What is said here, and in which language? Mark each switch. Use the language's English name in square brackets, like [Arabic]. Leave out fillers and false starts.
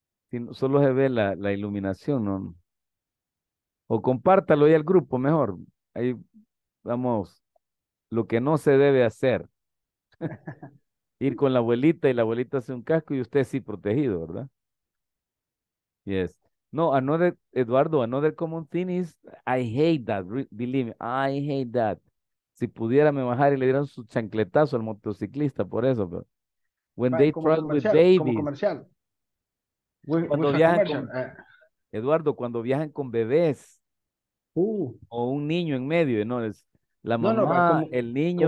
[Spanish] Si no, solo se ve la iluminación, ¿no? O compártalo ahí al grupo, mejor. Ahí vamos, lo que no se debe hacer. Ir con la abuelita y la abuelita hace un casco y usted sí protegido, ¿verdad? [English] Yes. No, another, Eduardo, another common thing is, I hate that, believe me, I hate that. [Spanish] Si pudiera me bajar y le dieran su chancletazo al motociclista, por eso. [English] Pero when they travel with babies. [Spanish] Como comercial. Cuando viajan con, Eduardo, cuando viajan con bebés. O un niño en medio, ¿no? Es la mamá, no, el niño